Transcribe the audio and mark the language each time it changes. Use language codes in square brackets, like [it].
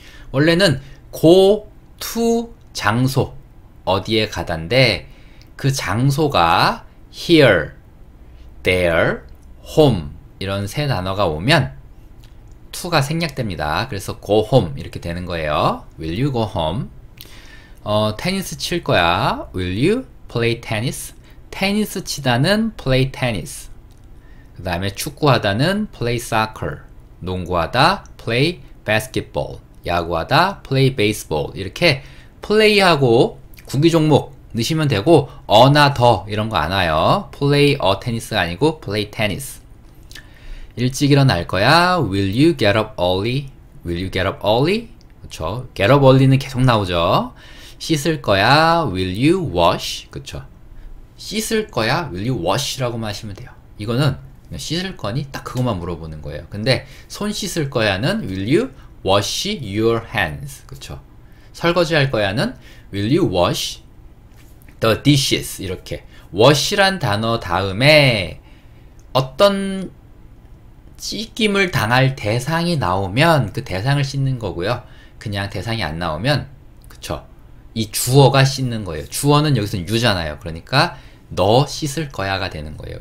[ko] 원래는 go to 장소 어디에 가다인데 그 장소가 here, there, home 이런 세 단어가 오면 to가 생략됩니다. 그래서 go home 이렇게 되는 거예요. [en] Will you go home? [ko] 테니스 칠 거야. [en] Will you play tennis? [ko] 테니스 치다는 [en] play tennis. [ko] 그 다음에 축구하다는 [en] play soccer. [ko] 농구하다 [en] play basketball. [ko] 야구하다 [en] play baseball. [ko] 이렇게 play하고 구기 종목 넣으시면 되고 어나 더 이런 거 안 와요. [en] play a tennis가 [ko] 아니고 [en] play tennis. 일찍 일어날 거야. Will you get up early? Will you get up early? 그쵸. get up early는 [ko] 계속 나오죠. 씻을 거야. [en] Will you wash? [ko] 그쵸. 씻을 거야. [en] Will you wash? [ko] 라고만 하시면 돼요. 이거는 그냥 씻을 거니? 딱 그것만 물어보는 거예요. 근데 손 씻을 거야는 [en] Will you wash your hands? [ko] 그쵸. 설거지 할 거야는 [en] Will you wash the dishes? [ko] 이렇게 wash란 단어 다음에 어떤 씻김을 당할 대상이 나오면 그 대상을 씻는 거고요. 그냥 대상이 안 나오면 그쵸. 이 주어가 씻는 거예요. 주어는 여기서 유잖아요. 그러니까 너 씻을 거야가 되는 거예요.